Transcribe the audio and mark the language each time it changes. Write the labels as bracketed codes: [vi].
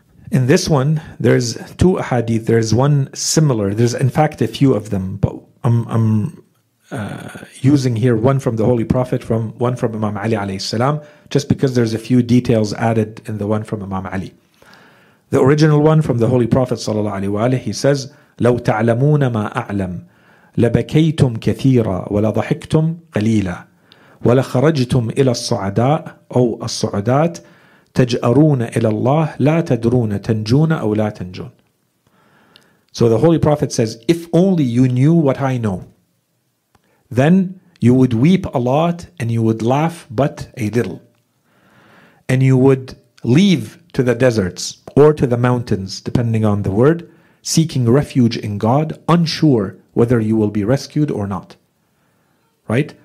[en] In this one, there's two hadith. There's one similar. There's in fact a few of them, but I'm using here one from the Holy Prophet, from one from Imam Ali alayhi salam, just because there's a few details added in the one from Imam Ali. The original one from the Holy Prophet sallallahu alaihi wa alihi, he says, [ar] لو تعلمون ما أعلم لبكيتم كثيرا ولا ضحكتم قليلا ولا خرجتم إلى الصعداء أو الصعدات تجأرون إلى الله لا تدرون تنجون أو لا تنجون. [en] So the Holy Prophet says, if only you knew what I know, then you would weep a lot and you would laugh but a little. And you would leave to the deserts or to the mountains, depending on the word, seeking refuge in God, unsure whether you will be rescued or not. Right?